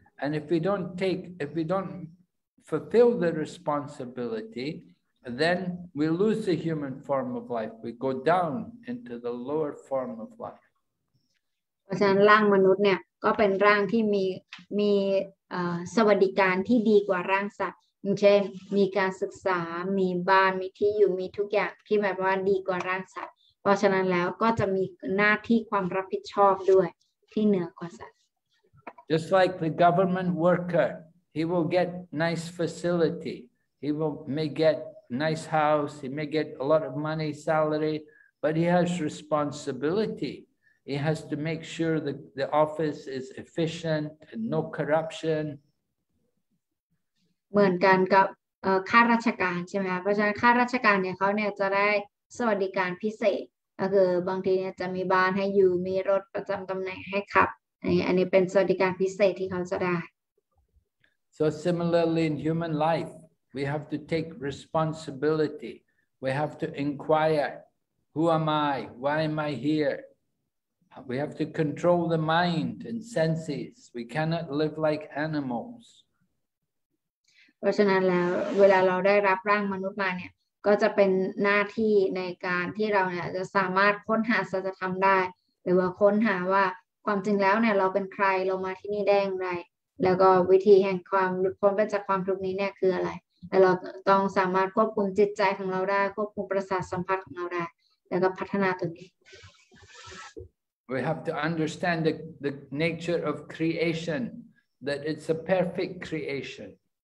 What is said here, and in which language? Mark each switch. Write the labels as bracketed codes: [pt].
[en] And if we don't fulfill the responsibility, then we lose the human form of life. We go down into the lower form of life. [th] เพราะฉะนั้นร่างมนุษย์เนี่ยก็เป็นร่างที่มีสวัสดิการที่ดีกว่าร่างสัตว์เช่นมีการศึกษามีบ้านมีที่อยู่มีทุกอย่างที่แบบว่าดีกว่าร่างสัตว์เพราะฉะนั้นแล้วก็จะมีหน้าที่ความรับผิดชอบด้วยที่เหนือกว่าสัตว์ [en] Just like the government worker, he will get nice facility. He will may get nice house. He may get a lot of money, salary, but he has responsibility. He has to make sure that the office is efficient and no corruption. [th] เหมือนกันกับข้าราชการใช่ไหมครับเพราะฉะนั้นข้าราชการเนี่ยเขาเนี่ยจะได้สวัสดิการพิเศษก็คือบางทีเนี่ยจะมีบ้านให้อยู่มีรถประจำตำแหน่งให้ขับอันนี้เป็นสวัสดิการพิเศษที่เขาจะได้ [en] So similarly in human life we have to take responsibility we have to inquire who am I why am I hereWe have to control the mind and senses. We cannot live like animals. [th] เพราะฉะนั้นแล้วเวลาเราได้รับร่างมนุษย์มาเนี่ยก็จะเป็นหน้าที่ในการที่เราเนี่ยจะสามารถค้นหาสัจธรรมได้หรือว่าค้นหาว่าความจริงแล้วเนี่ยเราเป็นใครเรามาที่นี่ได้อย่างไรแล้วก็วิธีแห่งความหลุดพ้นไปจากความทุกข์นี้เนี่ยคืออะไรแล้วเราต้องสามารถควบคุมจิตใจของเราได้ควบคุมประสาทสัมผัสของเราได้แล้วก็พัฒนาตัวเอง [en] We have to understand the nature of creation, that it's a perfect creation.